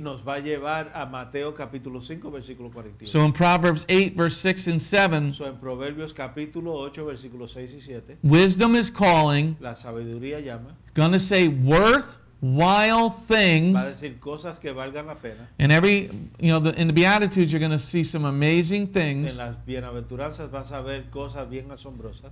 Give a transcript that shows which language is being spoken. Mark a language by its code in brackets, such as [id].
[es] Nos va a llevar a Mateo capítulo 5, versículo 48. [en] So in Proverbs 8, verse 6 and 7. [es] So en Proverbios capítulo 8, versículo 6 y 7. [en] Wisdom is calling. [es] La sabiduría llama. [en] Going to say worthwhile things. [es] Va a decir cosas que valgan la pena. [en] And in the Beatitudes, you're going to see some amazing things. [es] En las bienaventuranzas vas a ver cosas bien asombrosas.